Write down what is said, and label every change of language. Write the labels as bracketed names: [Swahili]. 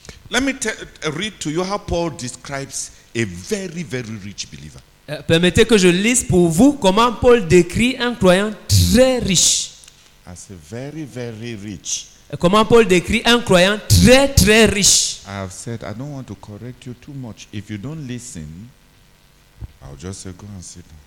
[English] let me read to you how Paul describes a very, very rich believer. [French] Permettez que je lise pour vous comment Paul décrit un croyant très riche. [English] As a very, very rich. [French] Comment Paul décrit un croyant très très riche? [English] I have said I don't want to correct you too much. If you don't listen, I'll just go and sit down.